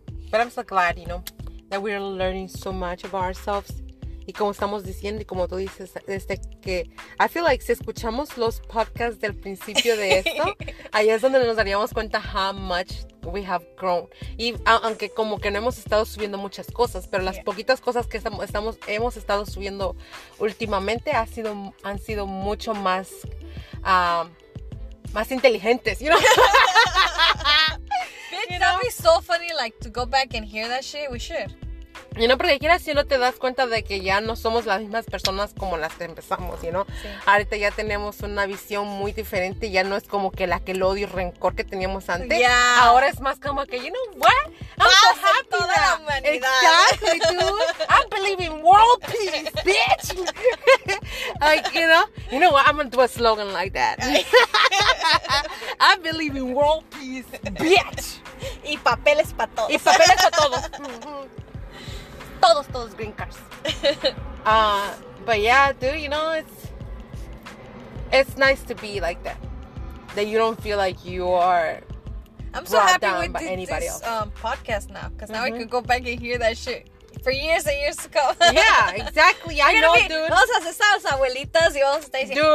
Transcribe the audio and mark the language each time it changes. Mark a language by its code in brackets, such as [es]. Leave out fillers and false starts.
[en] But I'm so glad, you know, that we are learning so much about ourselves. [es] Y como estamos diciendo, y como tú dices, desde que... [en] I feel like [es] si escuchamos los podcasts del principio de esto, ahí es donde nos daríamos cuenta [en] how much we have grown. [es] Y aunque como que no hemos estado subiendo muchas cosas, pero las poquitas cosas que hemos estado subiendo últimamente han sido mucho más... más inteligentes, [en] you know? You know? That'd be so funny, like, to go back and hear that shit. We should. [es] Y no porque quieras, sino te das cuenta de que ya no somos las mismas personas como las que empezamos, ¿no? Sí. Ahorita ya tenemos una visión muy diferente, ya no es como que la que el odio y rencor que teníamos antes. [en] Yeah. [es] Ahora es más como que, [en] you know what? I'm so happy. [es] Toda la humanidad. [en] Exactly, dude. I believe in world peace, bitch. Like, you know what? I'm gonna do a slogan like that. I believe in world peace, bitch. [es] Y papeles para todos. Y papeles para todos. Todos green cards. [en] But yeah, dude, you know, it's nice to be like that. That you don't feel like you are I'm so happy we did this podcast now. Because now I could go back and hear that shit for years and years to come. Yeah, exactly. I know, dude. [es] Vamos a asistir a los abuelitos y vamos a estar diciendo,